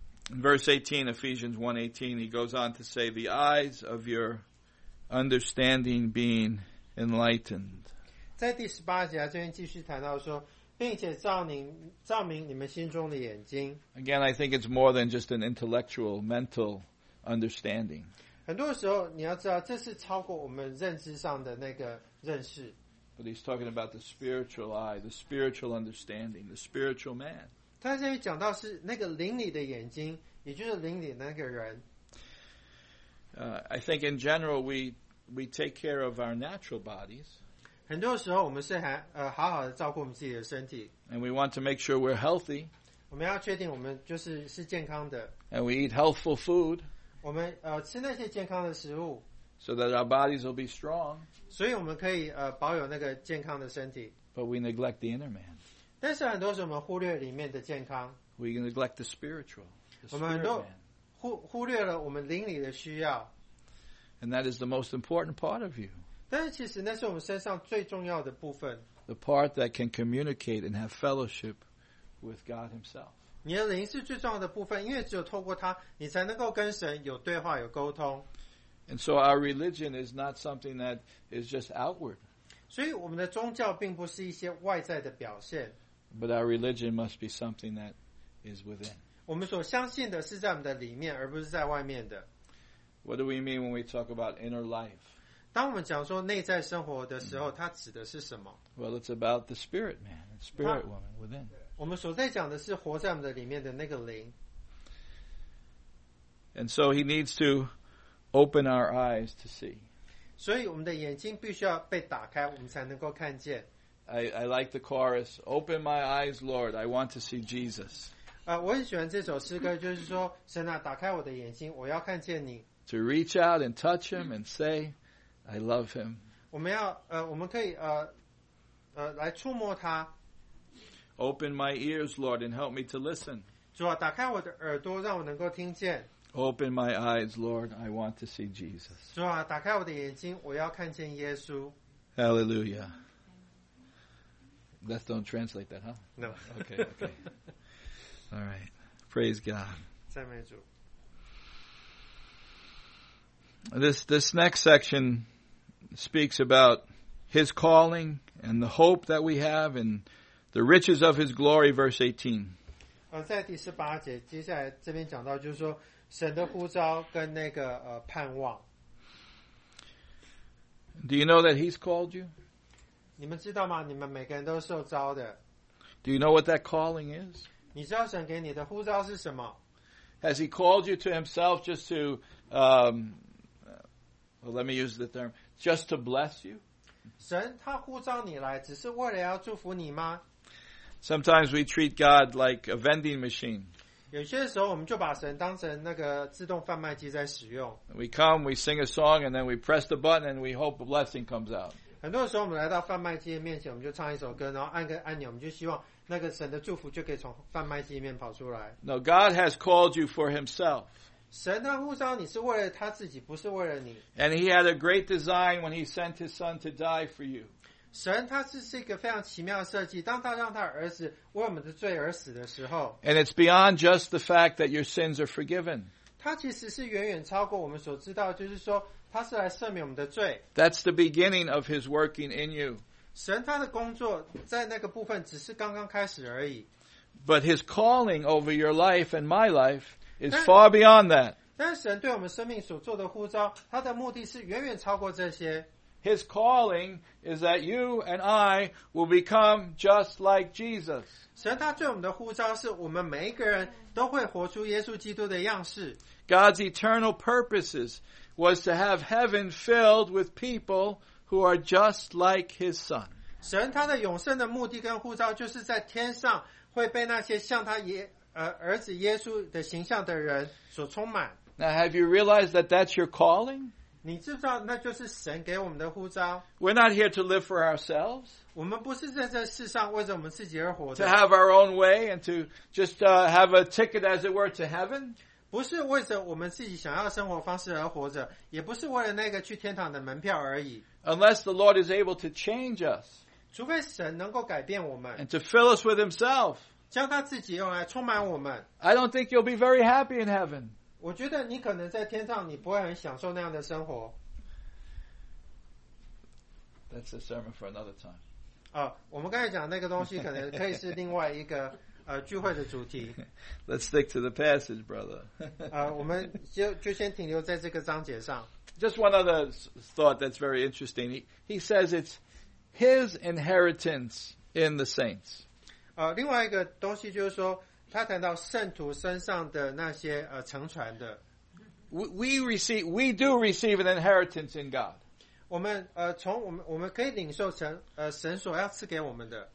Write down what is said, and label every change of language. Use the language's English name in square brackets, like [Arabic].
[English] In verse 18, Ephesians 1:18, he goes on to say, the eyes of your understanding being enlightened. [Chinese] 在第18节啊,这边继续谈到说,并且照明你们心中的眼睛。 [English] Again, I think it's more than just an intellectual, mental understanding. [Chinese] 很多时候你要知道这是超过我们认知上的那个认识。 [English] But he's talking about the spiritual eye, the spiritual understanding, the spiritual man. [Chinese] 他这里讲到是那个灵里的眼睛，也就是灵里那个人。 [English] I think in general we take care of our natural bodies. [Chinese] 很多时候我们是还好好的照顾我们自己的身体。 [English] And we want to make sure we're healthy. [Chinese] 我们要确定我们就是是健康的。 [English] And we eat healthful food. [Chinese] 我们吃那些健康的食物。 [English] So that our bodies will be strong. [Chinese] 所以我们可以保有那个健康的身体。 [English] But we neglect the inner man. [Chinese] 但是很多时候我们忽略里面的健康。 [English] We neglect the spiritual. The [Chinese] 我们很多忽略了我们灵里的需要。 [English] And that is the most important part of you. [Chinese] 但是其实那是我们身上最重要的部分。 [English] The part that can communicate and have fellowship with God himself. [Chinese] 你的灵是最重要的部分，因为只有透过它，你才能够跟神有对话，有沟通。 [English] And so our religion is not something that is just outward. [Chinese] 所以我们的宗教并不是一些外在的表现。 [English] But our religion must be something that is within. [Chinese] 我们所相信的是在我们的里面，而不是在外面的。 [English] What do we mean when we talk about inner life? [Chinese] 当我们讲说内在生活的时候，它指的是什么？ [English] Well, it's about the spirit man, spirit woman within. [Chinese] 我们所在讲的是活在我们的里面的那个灵。 [English] And so he needs to open our eyes to see. [Chinese] 所以我们的眼睛必须要被打开，我们才能够看见。 [English] I like the chorus, "Open my eyes, Lord, I want to see Jesus." [Chinese] 我很喜欢这首诗歌，就是说，神啊，打开我的眼睛，我要看见你。 [English] To reach out and touch him and say, "I love him." [Chinese] 我们要我们可以来触摸他。 [English] Open my ears, Lord, and help me to listen. [Chinese] 主啊，打开我的耳朵，让我能够听见。 [English] Open my eyes, Lord, I want to see Jesus. [Chinese] 主啊，打开我的眼睛，我要看见耶稣。 [English] Hallelujah. Let's don't translate that, huh? No. Okay, okay. All right. Praise God. [Chinese] 赞美主。 [English] This next section speaks about his calling and the hope that we have and the riches of his glory, verse 18. [Chinese] 在第十八节，接下来这边讲到就是说神的呼召跟那个盼望。 [English] Do you know that he's called you? [Chinese] 你们知道吗？你们每个人都受召的。 [English] Do you know what that calling is? [Chinese] 你知道神给你的呼召是什么？ [English] Has he called you to himself just to, well, let me use the term, just to bless you? [Chinese] 神他呼召你来只是为了要祝福你吗？ [English] Sometimes we treat God like a vending machine. [Chinese] 有些时候我们就把神当成那个自动贩卖机在使用。 [English] We come, we sing a song, and then we press the button, and we hope a blessing comes out. [Chinese] 很多时候我们来到贩卖机的面前，我们就唱一首歌，然后按个按钮，我们就希望那个神的祝福就可以从贩卖机里面跑出来。 [English] No, God has called you for himself. [Chinese] 神他呼召你是为了他自己，不是为了你。 [English] And he had a great design when he sent his son to die for you. [Chinese] 神他是一个非常奇妙的设计，当他让他儿子为我们的罪而死的时候。 [English] And it's beyond just the fact that your sins are forgiven. [Chinese] 他其实是远远超过我们所知道，就是说他是来赦免我们的罪。 [English] That's the beginning of his working in you. [Chinese] 神他的工作在那个部分只是刚刚开始而已。 [English] But his calling over your life and my life is far beyond that. [Chinese] 但神对我们生命所做的呼召，他的目的是远远超过这些。 [English] His calling is that you and I will become just like Jesus. [Chinese] 神他对我们的呼召是我们每一个人都会活出耶稣基督的样式。 [English] God's eternal purposes was to have heaven filled with people who are just like his son. [Chinese] 神他的永生的目的跟呼召就是在天上会被那些像他儿子耶稣的形象的人所充满。 [English] Now have you realized that that's your calling? [Chinese] 你知道那就是神给我们的呼召。 [English] We're not here to live for ourselves. [Chinese] 我们不是在这世上为着我们自己而活的。 [English] To have our own way and to just have a ticket, as it were, to heaven. [Chinese] 不是为着我们自己想要生活方式而活着，也不是为了那个去天堂的门票而已。 [English] Unless the Lord is able to change us. [Chinese] 除非神能够改变我们。 [English] And to fill us with himself. [Chinese] 将他自己用来充满我们。 [English] I don't think you'll be very happy in heaven. [Chinese] 我觉得你可能在天上你不会很享受那样的生活。 [English] That's a sermon for another time. [Chinese] 我们刚才讲那个东西可能可以是另外一个聚会的主题。 [English] Let's stick to the passage, brother. [Chinese] 我们就先停留在这个章节上。 [English] Just one other thought that's very interesting. He says it's his inheritance in the saints. [Chinese] 另外一个东西就是说，他谈到圣徒身上的那些承传的。 [English] We do receive an inheritance in God. [Chinese] 我们从我们可以领受神神所要赐给我们的。